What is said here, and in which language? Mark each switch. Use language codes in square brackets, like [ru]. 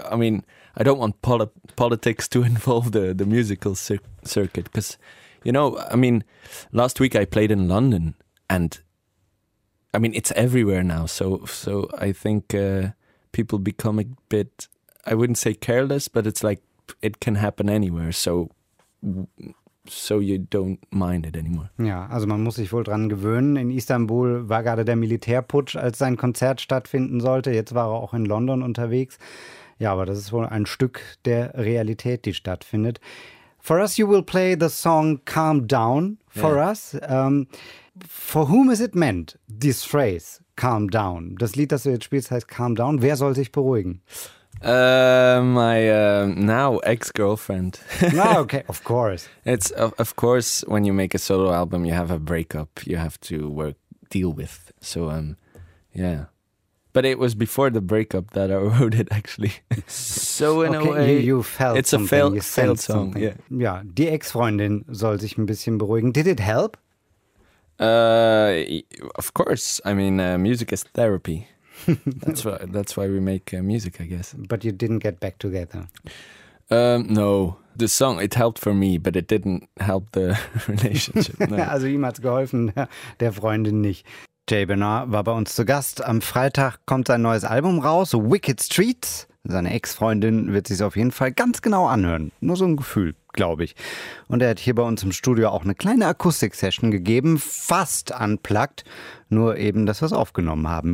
[en] I mean, I don't want politics to involve the musical circuit because, last week I played in London, and I mean it's everywhere now. So I think. People become a bit, I wouldn't say careless, but it's like it can happen anywhere. So you don't mind it anymore. [de] Ja, also man muss sich wohl dran gewöhnen. In Istanbul war gerade der Militärputsch, als sein Konzert stattfinden sollte. Jetzt war er auch in London unterwegs. Ja, aber das ist wohl ein Stück der Realität, die stattfindet. [en] For us, you will play the song Calm Down for us. For whom is it meant, this phrase? Calm down. [de] Das Lied, das du jetzt spielst, heißt Calm Down. Wer soll sich beruhigen? [en] My now ex-girlfriend. Ah, okay, of course. It's of course when you make a solo album, you have a breakup you have to deal with. So but it was before the breakup that I wrote it actually. So in okay, a way, you felt it's something. a failed song. Yeah. [de] Ja, die Ex-Freundin soll sich ein bisschen beruhigen. [en] Did it help? Of course. I mean, music is therapy. That's why we make music, I guess. But you didn't get back together. No. The song, it helped for me, but it didn't help the relationship. No. [de] Also ihm hat's geholfen, der Freundin nicht. Jay Bernard war bei uns zu Gast. Am Freitag kommt sein neues Album raus, Wicked Street. Seine Ex-Freundin wird sich's auf jeden Fall ganz genau anhören. Nur so ein Gefühl, glaube ich. Und er hat hier bei uns im Studio auch eine kleine Akustik-Session gegeben, fast unplugged, nur eben, dass wir es aufgenommen haben.